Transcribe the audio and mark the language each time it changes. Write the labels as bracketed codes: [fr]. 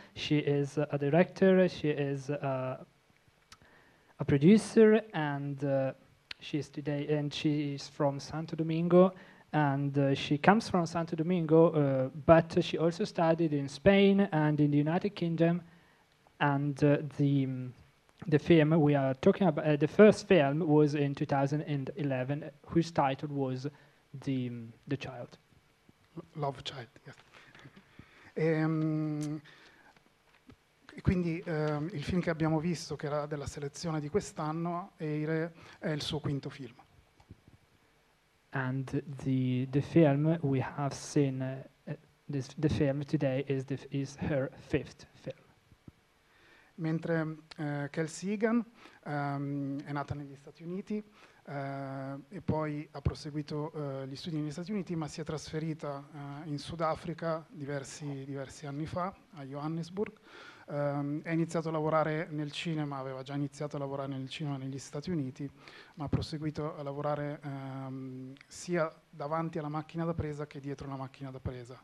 [en] She is a director, she is a producer, and she is today, and she is from Santo Domingo, and she comes from Santo Domingo, but she also studied in Spain and in the United Kingdom, and the film we are talking about, the first film was in 2011, whose title was The Child. Love Child, yes. [it] E quindi il film che abbiamo visto, che era della selezione di quest'anno, è il suo quinto film. [en] And the film we have seen, the film today is her fifth film. [it] Mentre Kelsey Egan è nata negli Stati Uniti, e poi ha proseguito gli studi negli Stati Uniti, ma si è trasferita in Sudafrica diversi anni fa, a Johannesburg. Ha iniziato a lavorare nel cinema, aveva già iniziato a lavorare nel cinema negli Stati Uniti, ma ha proseguito a lavorare sia davanti alla macchina da presa che dietro la macchina da presa.